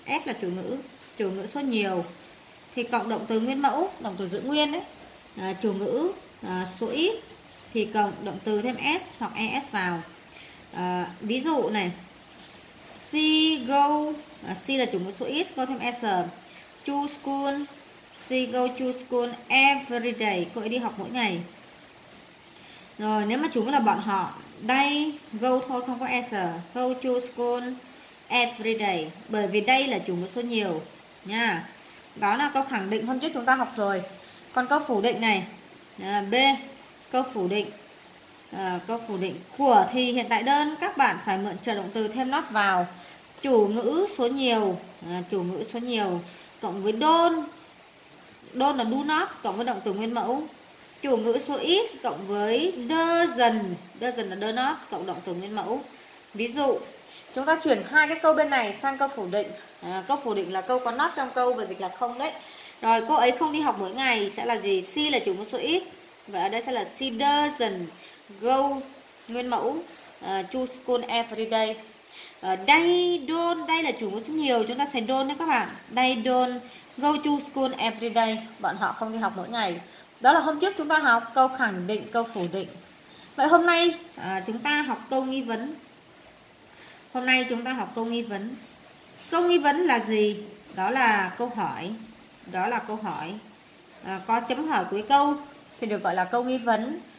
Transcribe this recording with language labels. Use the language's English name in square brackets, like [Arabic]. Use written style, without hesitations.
[Vietnamese] S là chủ ngữ, chủ ngữ số nhiều. Thì cộng động từ nguyên mẫu, động từ giữ nguyên ấy. Chủ ngữ số ít. Thì cộng động từ thêm S hoặc ES vào. Ví dụ này, [English] she go, [Vietnamese] she là chủ ngữ số ít, go thêm S. [English] To school, she go to school every day. [Vietnamese] Cô ấy đi học mỗi ngày. Rồi nếu mà chủ ngữ là bọn họ, [English] they go [Vietnamese] thôi, không có S. [English] Go to school every day. [Vietnamese] Bởi vì đây là chủ ngữ số nhiều nha. Đó là câu khẳng định hôm trước chúng ta học rồi. Còn câu phủ định này, B, câu phủ định. Câu phủ định của thì hiện tại đơn, các bạn phải mượn trợ động từ thêm not vào. Chủ ngữ số nhiều, chủ ngữ số nhiều cộng với don't là do not, cộng với động từ nguyên mẫu. Chủ ngữ số ít cộng với doesn't là do not, cộng động từ nguyên mẫu. Ví dụ, chúng ta chuyển hai cái câu bên này sang câu phủ định. Câu phủ định là câu có not trong câu và dịch là không đấy. Rồi, cô ấy không đi học mỗi ngày sẽ là gì? She là chủ ngữ số ít. Vậy ở đây sẽ là [English] she doesn't go [Vietnamese] nguyên mẫu [English] to school every day. They don't, [Vietnamese] đây là chủ ngữ số nhiều, chúng ta sẽ don't nhé các bạn. [English] They don't go to school every day. [Vietnamese] Bọn họ không đi học mỗi ngày. Đó là hôm trước chúng ta học câu khẳng định, câu phủ định. Vậy hôm nay chúng ta học câu nghi vấn. Hôm nay chúng ta học câu nghi vấn. Câu nghi vấn là gì? Đó là câu hỏi. Đó là câu hỏi có chấm hỏi cuối câu thì được gọi là câu nghi vấn.